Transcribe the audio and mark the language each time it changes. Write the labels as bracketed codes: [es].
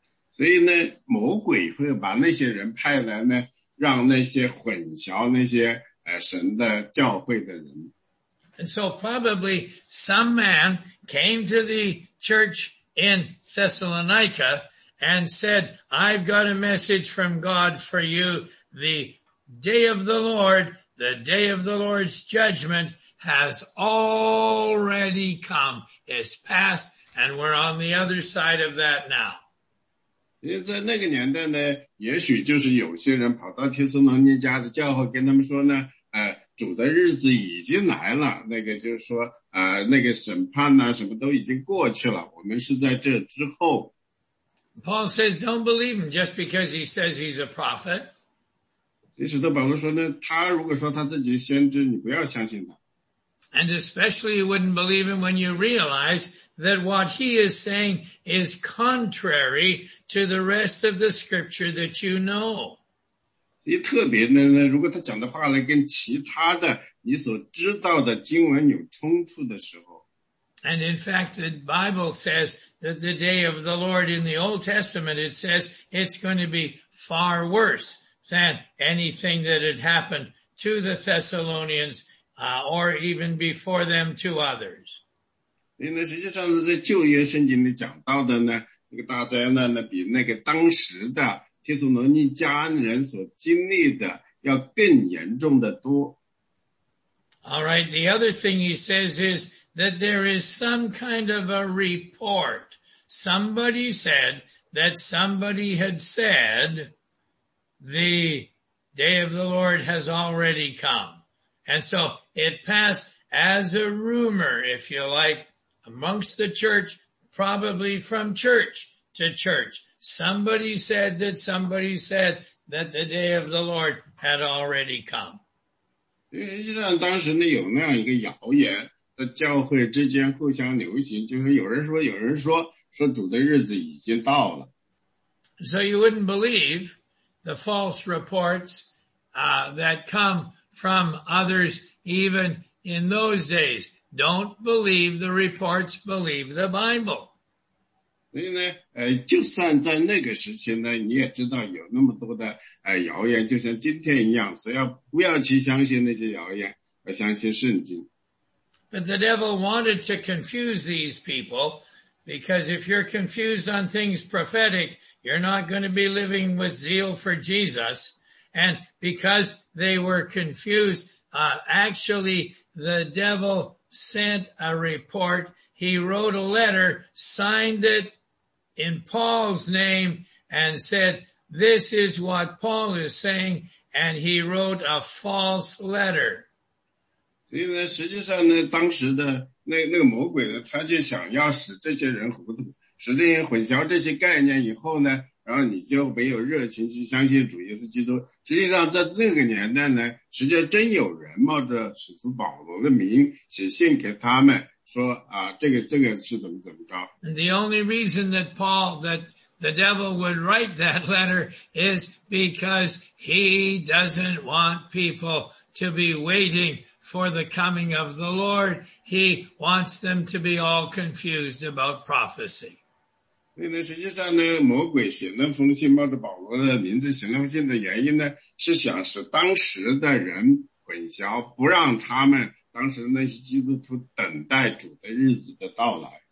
[zh] 所以呢魔鬼会把那些人派来呢让那些混淆那些神的教会的人。 [en] And so probably some man came to the church in Thessalonica and said, I've got a message from God for you. The day of the Lord, the day of the Lord's judgment has already come. It's past and we're on the other side of that now. [zh] 因为在那个年代呢也许就是有些人跑到提斯罗尼迦的教会跟他们说呢主的日子已经来了那个就是说那个审判啊什么都已经过去了我们是在这之后。 [en] Paul says, don't believe him just because he says he's a prophet. [zh] 其实保罗说呢他如果说他自己先知你不要相信他。 [en] And especially you wouldn't believe him when you realize that what he is saying is contrary to the rest of the scripture that you know. [zh] 特别呢如果他讲的话呢跟其他的你所知道的经文有冲突的时候。 [en] And in fact, the Bible says that the day of the Lord in the Old Testament, it says it's going to be far worse than anything that had happened to the Thessalonians or even before them to others. [zh] 因为实际上在旧约圣经里讲到的呢那个大灾难呢比那个当时的提斯罗尼迦人所经历的要更严重的多。 [en] Alright, the other thing he says is that there is some kind of a report. Somebody said that somebody had said the day of the Lord has already come. And so it passed as a rumor, if you like,Amongst the church, probably from church to church, somebody said that the day of the Lord had already come. [zh] 实际上当时呢有那样一个谣言在教会之间互相流行就是有人说主的日子已经到了。 [en] So you wouldn't believe the false reports, that come from others even in those days. Don't believe the reports, believe the Bible. [zh] 所以呢就算在那个时期呢你也知道有那么多的谣言就像今天一样所以不要去相信那些谣言而相信圣经。 [en] But the devil wanted to confuse these people because if you're confused on things prophetic, you're not going to be living with zeal for Jesus. And because they were confused, actually the devilsent a report, he wrote a letter, signed it in Paul's name, and said, this is what Paul is saying, and he wrote a false letter. [zh] 所以呢实际上呢当时的那个魔鬼呢他就想要使这些人糊涂使这些混淆这些概念以后呢然后你就没有热情去相信主耶稣基督。实际上在那个年代呢实际上真有人冒着使徒保罗的名写信给他们说这个是怎么着。 [en] And the only reason that the devil would write that letter is because he doesn't want people to be waiting for the coming of the Lord. He wants them to be all confused about prophecy. [zh] 所以呢，实际上呢，魔鬼写那封信，冒着保罗的名字写那封信的原因呢，是想使当时的人混淆，不让他们当时那些基督徒等待主的日子的到来。